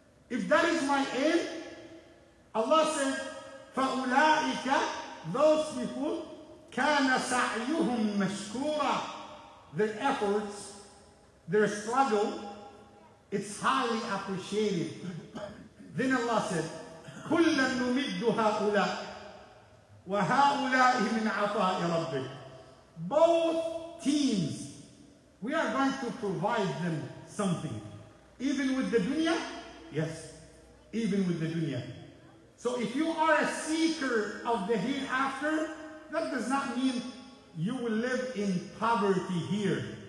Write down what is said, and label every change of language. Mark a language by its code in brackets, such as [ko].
[en] If that is my aim, Allah said, [ar] فَأُولَٰئِكَ, [en] those people, [ar] كَانَ سَعْيُهُمْ مَشْكُورًا. [en] Their efforts, their struggle, it's highly appreciated. Then Allah said, [ar] كُلَّا نُمِدُّ هَؤُلَاءِ وَهَؤُلَاءِ مِنْ عَطَاءِ رَبِّكَ. [en] Both teams, we are going to provide them something. Even with the dunya? Yes, even with the dunya. So if you are a seeker of the hereafter, that does not mean you will live in poverty here.